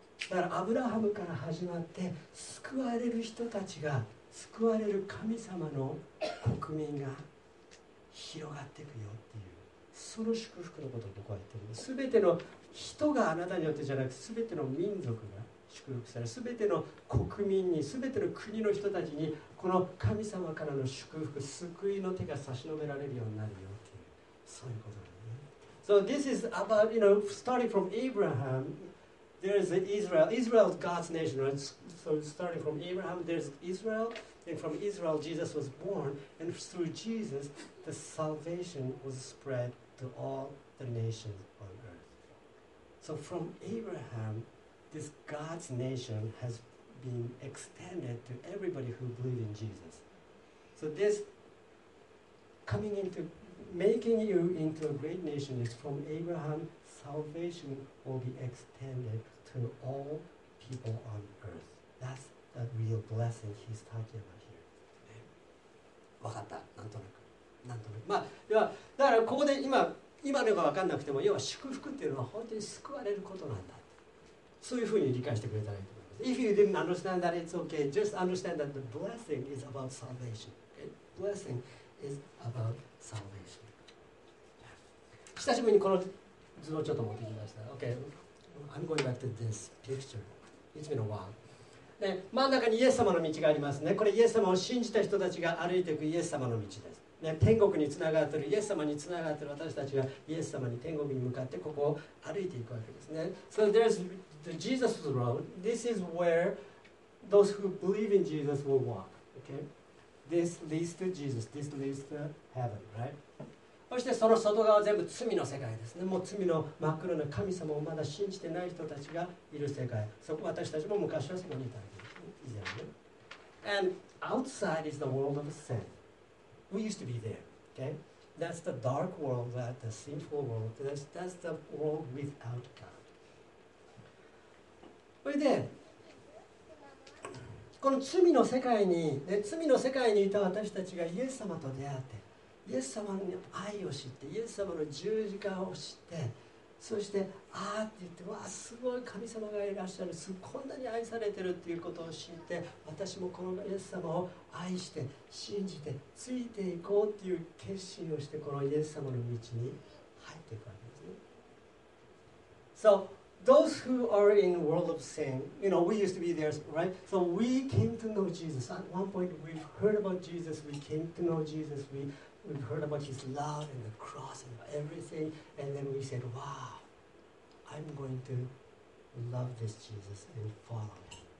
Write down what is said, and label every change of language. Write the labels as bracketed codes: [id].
[ja] だからアブラハムから始まって救われる人たちが、救われる神様の国民が広がっていくよっていう、その祝福のことを僕は言っているんです。全ての人があなたによってじゃなく、全ての民族が祝福され、すべての国民に、すべての国の人たちに、この神様からの祝福、救いの手が差し伸べられるようになるよっていう、そういうことだね。 [en] So this is about, you know, starting from Abraham, there's Israel. Israel is God's nation, right? So starting from Abraham, there's Israel, and from Israel, Jesus was born, and through Jesus, the salvation was spread to all the nations on earth. So from Abraham,This God's nation has been extended to everybody who believes in Jesus. So this coming into, making you into a great nation is from Abraham, salvation will be extended to all people on earth. That's the real blessing he's talking about here. [ja] わかった。なんとなく。なんとなく。まあ、要は、だからここで今のがわかんなくても、要は祝福っていうのは本当に救われることなんだ。そういうふうに理解してくれたらいいと思います。 [en] If you didn't understand that, it's okay. Just understand that the blessing is about salvation. Blessing is about salvation. [ja] 久しぶりにこの図をちょっと持ってきました。 [en] Okay. I'm going back to this picture. It's been a while. [ja] 真ん中にイエス様の道がありますね。これイエス様を信じた人たちが歩いていくイエス様の道です。ね、天国につながっているイエス様につながっている私たちがイエス様に天国に向かってここを歩いていくわけですね。 [en] So there's the Jesus road. This is where those who believe in Jesus will walk. Okay? This leads to Jesus. This leads to heaven, right? [ja] そしてその外側は全部罪の世界ですね。もう罪の真っ黒な神様をまだ信じてない人たちがいる世界。そこ私たちも昔はそこにいたんです。以前ね。 [en] And outside is the world of sin. We used to be there. Okay? That's the dark world, that the sinful world. That's the world without God. [ja] それで、この罪の世界に、ね、罪の世界にいた私たちがイエス様と出会って、イエス様の愛を知って、イエス様の十字架を知って、そしてああって言って、わあすごい神様がいらっしゃる、こんなに愛されてるっていうことを知って、私もこのイエス様を愛して、信じて、ついていこうっていう決心をして、このイエス様の道に入っていくわけですね。 [en] So, those who are in the world of sin, you know, we used to be there, right? So we came to know Jesus. At one point, we've heard about Jesus, we came to know Jesus, We've heard about his love and the cross and everything. And then we said, wow, I'm going to love this Jesus and follow him.